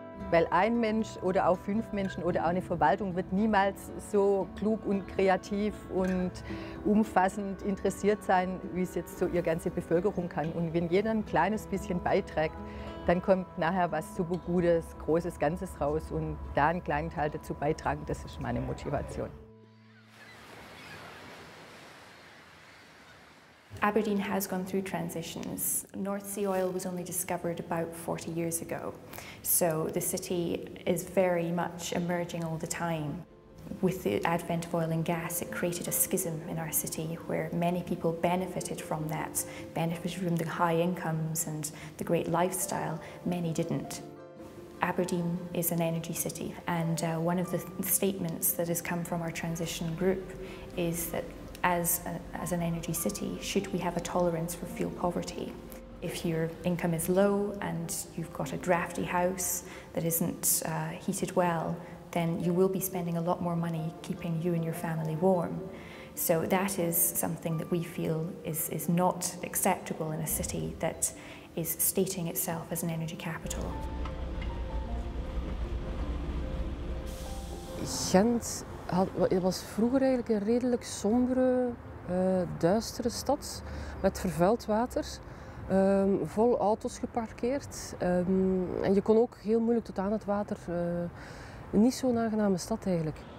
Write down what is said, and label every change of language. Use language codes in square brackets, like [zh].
[de] Weil ein Mensch oder auch fünf Menschen oder auch eine Verwaltung wird niemals so klug und kreativ und umfassend interessiert sein, wie es jetzt so ihre ganze Bevölkerung kann. Und wenn jeder ein kleines bisschen beiträgt, dann kommt nachher was super Gutes, Großes, Ganzes raus. Und da einen kleinen Teil dazu beitragen, das ist meine Motivation. [en] Aberdeen has gone through transitions. North Sea oil was only discovered about 40 years ago. So the city is very much emerging all the time. With the advent of oil and gas, it created a schism in our city where many people benefited from that, benefited from the high incomes and the great lifestyle. Many didn't. Aberdeen is an energy city. And one of the statements that has come from our transition group is that as an energy city, should we have a tolerance for fuel poverty? If your income is low and you've got a drafty house that isn't heated well, then you will be spending a lot more money keeping you and your family warm. So that is something that we feel is not acceptable in a city that is stating itself as an energy capital. [nl] Gent. Het was vroeger eigenlijk een redelijk sombere, duistere stad met vervuild water, vol auto's geparkeerd. En je kon ook heel moeilijk tot aan het water. Niet zo'n aangename stad eigenlijk.